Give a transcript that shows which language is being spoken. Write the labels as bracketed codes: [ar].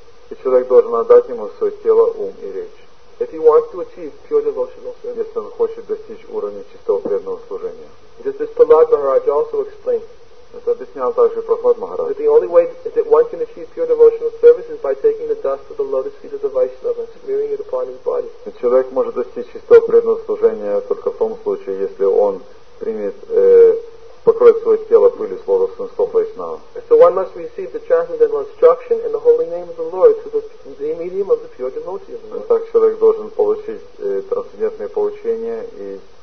[ru] и человек должен отдать ему свое тело, ум и речь. [en] If he wants to achieve pure devotional service, [ru] если он хочет достичь уровня чистого преданного служения, [en] this is Prahlad Maharaj also explained. [ru] Это объяснял также Прохлад Махарадж. [en] That the only way that one can achieve pure devotional service is by taking the dust of the lotus feet of the Vaishnava and smearing it upon his body. [ru] И человек может достичь чистого преданного служения только в том случае, если он примет покроет свое тело пылью с лотосных стоп Вайшнава. [en] So one must receive the transcendental instruction in the holy name of the Lord through the medium of the pure devotee of the Lord. [ru] Так человек должен получить трансцендентное получение и